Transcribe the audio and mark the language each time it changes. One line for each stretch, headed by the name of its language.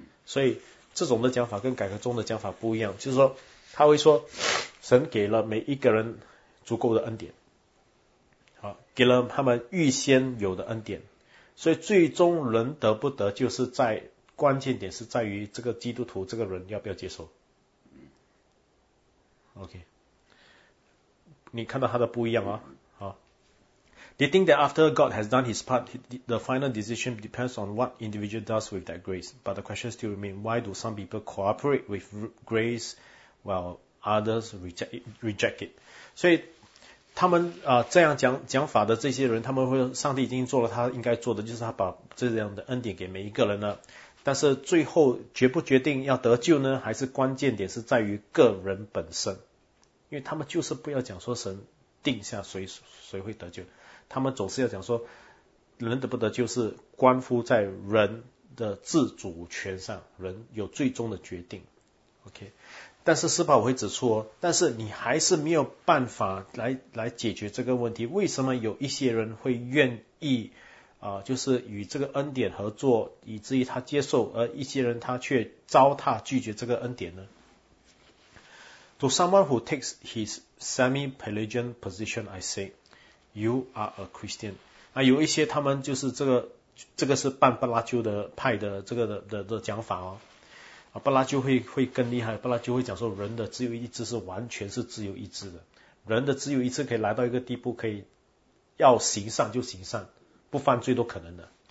Chinese: 所以这种的讲法跟改革中的讲法不一样，就是说他会说神给了每一个人足够的恩典，给了他们预先有的恩典，所以最终人得不得，就是在关键点是在于这个基督徒这个人要不要接受。 OK， 你看到他的不一样啊。
English: They think that after God has done his part, the final decision depends on what individual does with that grace. But the question still remains, why do some people cooperate with grace while others reject it?
Chinese: 所以他们这样讲法的这些人，他们会说上帝已经做了他应该做的，就是他把这样的恩典给每一个人了。但是最后决不决定要得救呢，还是关键点是在于个人本身。因为他们就是不要讲说神定下谁会得救。他们总是要讲说人得不得救是关乎在人的自主权上，人有最终的决定。 OK。但是斯巴我会指出，但是你还是没有办法来解决这个问题。为什么有一些人会愿意就是与这个恩典合作，以至于他接受，而一些人他却糟蹋拒绝这个恩典呢？
English: To someone who takes his semi-Pelagian position, I say, you are a Christian.
Chinese: 啊，有一些他们就是这个是半巴拉丘的派的这个的讲法哦。巴拉就会更厉害，巴拉就会讲说人的自由意志是完全是自由意志的，人的自由意志可以来到一个地步，可以要行善就行善，不犯罪都可能的。